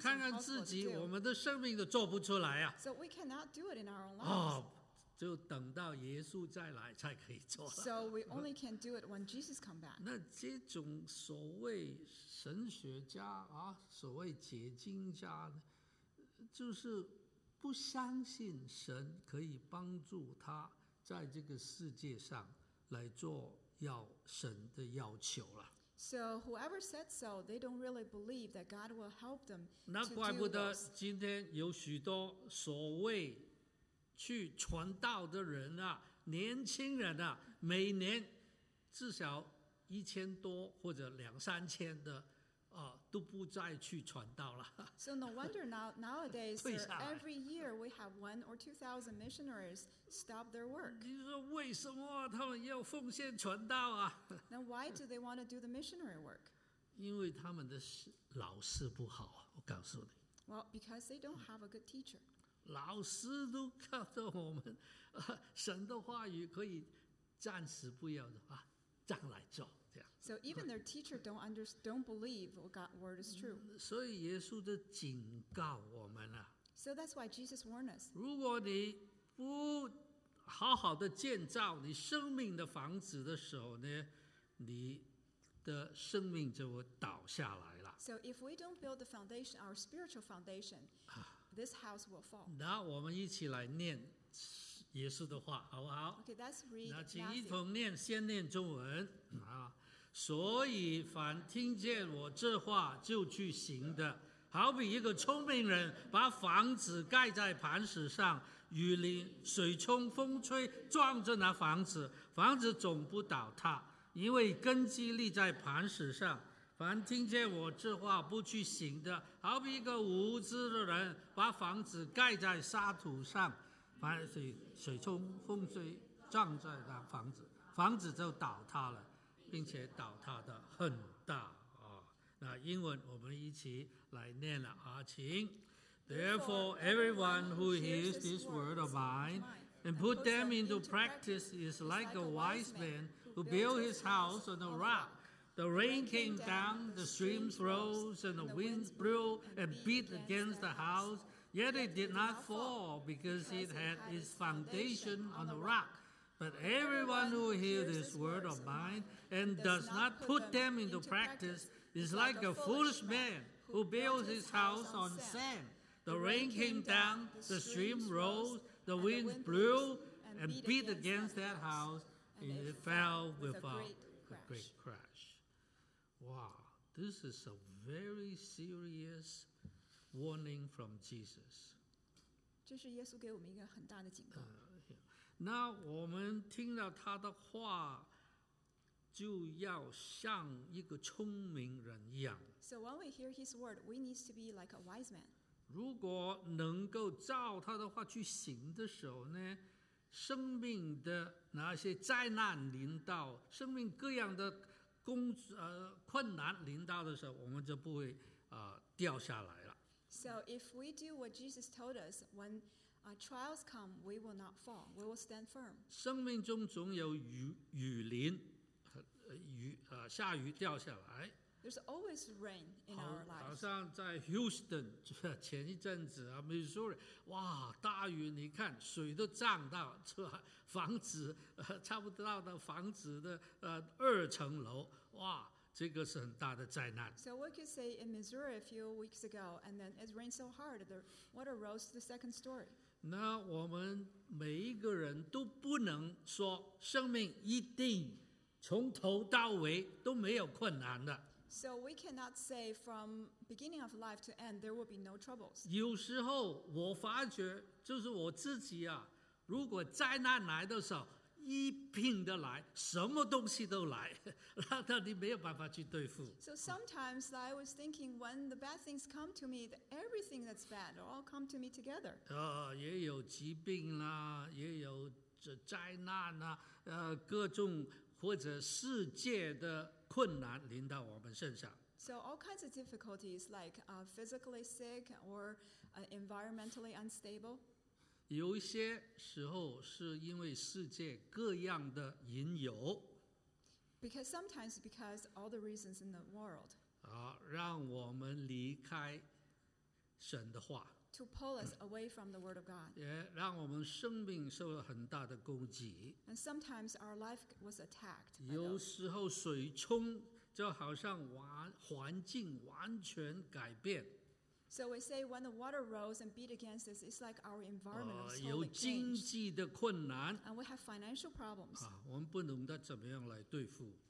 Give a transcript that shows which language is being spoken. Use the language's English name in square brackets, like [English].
[Chinese] 看看自己，我们的生命都做不出来啊。 [English] So we cannot do it in our own lives. [Chinese] 就等到耶稣再来才可以做。 [English] So we only can do it when Jesus comes back. [Chinese] 那这种所谓神学家啊，所谓解经家，就是不相信神可以帮助他在这个世界上来做要神的要求了。 [English] So whoever said so, they don't really believe that God will help them to do this. [Chinese] 那怪不得今天有许多所谓去传道的人啊，年轻人啊，每年至少一千多或者两三千的啊，都不再去传道了。 [English] So no wonder nowadays every year we have 1,000 or 2,000 missionaries stop their work. [Chinese] 你说为什么他们要奉献传道啊？ [English] Then why do they want to do the missionary work? [Chinese] 因为他们的老师不好，我告诉你。 [English] Well, because they don't have a good teacher. [Chinese] 老师都告诉我们，神的话语可以暂时不要的啊，将来做。 [English] So even their teacher don't believe what God's word is true. [Chinese] 所以耶稣的警告我们啊。 [English] So that's why Jesus warned us. [Chinese] 如果你不好好的建造你生命的房子的时候呢，你的生命就会倒下来了。 [English] So if we don't build the foundation, our spiritual foundation, this house will fall. [Chinese] 那我们一起来念耶稣的话，好不好 [English] ？Okay, that's read. [Chinese] 那请一同念，先念中文啊。所以凡听见我这话就去行的，好比一个聪明人把房子盖在磐石上，雨淋、水冲、风吹，撞着那房子，房子总不倒塌，因为根基立在磐石上。凡听见我这话不去行的，好比一个无知的人把房子盖在沙土上，凡水冲、风吹，撞在那房子，房子就倒塌了。并且倒塌的很大、哦、那英文我们一起来念了、啊、请 [English] Therefore everyone who hears this word of mine and put them into practice is like a wise man who built his house on a rock. The rain came down, the streams rose, and the winds blew and beat against the house, yet it did not fall because it had its foundation on the rock. But everyone who hears this word of mine and does not put them into practice is like a foolish man who builds his house on sand. The rain came down, the stream rose, the wind blew and beat against that house, and it fell with a great crash. Wow, this is a very serious warning from Jesus. [Chinese] 这是耶稣给我们一个很大的警告。那我们听了他的话，就要像一个聪明人一样。 [English] So when we hear his word, we need to be like a wise man. [Chinese] 如果能够照他的话去行的时候呢，生命的那些灾难临到，生命各样的困难临到的时候，我们就不会掉下来了。 [English] So if we do what Jesus told us, whenTrials come, we will not fall. We will stand firm. [Chinese] 生命中总有雨淋，下雨掉下来。 [English] There's always rain in our lives. [Chinese] 好像在 Houston 前一阵子啊 ，Missouri， 哇，大雨，你看水都涨到房子，差不多的房子的二层楼，哇。这个是很大的灾难。 [English] So we could say in Missouri a few weeks ago, and then it rained so hard, the water rose to the second story. [Chinese] 那我们每一个人都不能说生命一定从头到尾都没有困难的。 [English] So we cannot say from beginning of life to end there will be no troubles. [Chinese] 有时候我发觉，就是我自己啊，如果灾难来的时候。一拼的来，什么东西都来，那你没有办法去对付。 [English] So sometimes I was thinking when the bad things come to me, everything that's bad all come to me together. [Chinese] 也有疾病啦，也有灾难啦，各种或者世界的困难临到我们身上。 [English] So all kinds of difficulties like physically sick or environmentally unstable. [Chinese] 有一些时候是因为世界各样的引诱。 [English] Because sometimes because all the reasons in the world. [Chinese] 让我们离开神的话。 [English] To pull us away from the word of God. [Chinese] 也让我们生命受了很大的攻击。 [English] And sometimes our life was attacked. [Chinese] 有时候水冲就好像环境完全改变。 [English] So we say when the water rose and beat against us, it's like our environment was totally changed. [Chinese] 有经济的困难。 [English] And we have financial problems. [Chinese] 我们不懂得怎么样来对付。